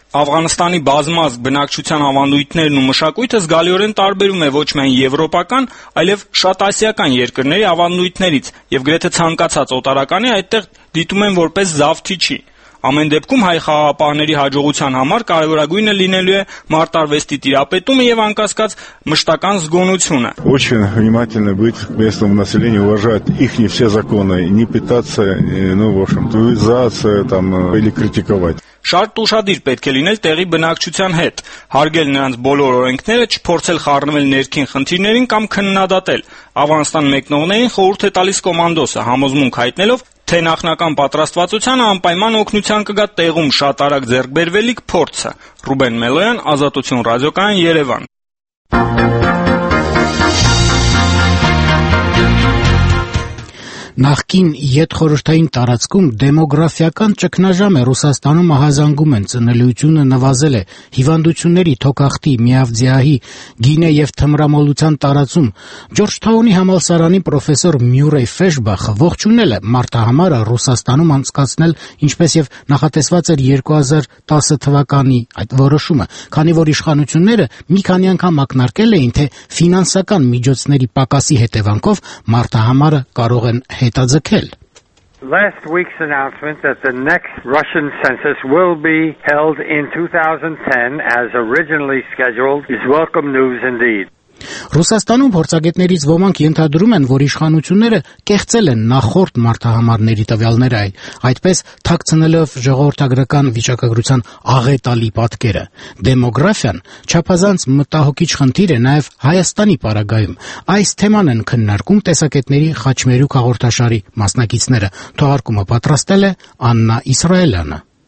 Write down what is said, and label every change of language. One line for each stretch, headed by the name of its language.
Armenian: Աфghanistan-ի բազմազգ բնակչության ավանդույթներն ու մշակույթը զգալիորեն տարբերվում է ոչ միայն եվրոպական, այլև շատ ասիական երկրների ավանդույթներից, եւ գրեթե ցանկացած օտարականի այդտեղ դիտում են որպես զավթիչի։ Ամեն դեպքում հայ խաղապահների հաջողության համար կարևորագույնը լինելու է մարտարվեստի տիրապետումը եւ անկասկած մշտական զգոնությունը։
Russian: Очень внимательно быть к местному населению, уважать ихние все законы, не пытаться, ну, в общем, туизация там или критиковать.
Armenian: Շատ ուշադիր պետք է լինել տեղի բնակչության հետ, հարգել նրանց բոլոր օրենքները, չփորձել խառնվել ներքին խնդիրներին կամ քննադատել։ Աфghanistan մեկնողներին խորհուրդ է տալիս կոմանդոսը, համոզմունք հայտնելով, թե նախնական պատրաստվածության անպայման օգնության կգա տեղում շատ արագ ձեռքբերվելիք փորձը։ Ռուբեն Մելոյան, Ազատություն ռադիոկայան, Երևան։ Նախքին յետխորհրդային տարածքում դեմոգրաֆիական ճգնաժամ է Ռուսաստանում ահազանգում են ծնելիությունը նվազել է հիվանդությունների թոքախտի միավձիահի գինե եւ թմրամոլության տարածում Ջորջթաունի համալսարանի պրոֆեսոր Մյուրեյ Ֆեշբախը ողջունել է մարտահամարը Ռուսաստանում անցկացնել ինչպես եւ նախատեսված էր 2010 թվականի այդ որոշումը քանի որ իշխանությունները մի քանի անգամ ակնարկել էին թե ֆինանսական միջոցների պակասի հետևանքով մարտահամարը կարող են հետաձգել.
English: Last week's announcement that the next Russian census will be held in 2010 as originally scheduled is welcome news indeed.
Armenian: Ռուսաստանում փորձագետներից ոմանք ենթադրում են, որ իշխանությունները կեղծել են նախորդ մարտահամարների տվյալները, այդպես թաքցնելով ժողովրդագրական վիճակագրության աղետալի պատկերը։ Դեմոգրաֆիան չափազանց մտահոգիչ խնդիր է նաև Հայաստանի պարագայում։ Այս թեման են քննարկում տեսակետների Խաչմերուկ հաղորդաշարի մասնակիցները։ Թողարկումը պատրաստել է Աննա Իսրայելյանը։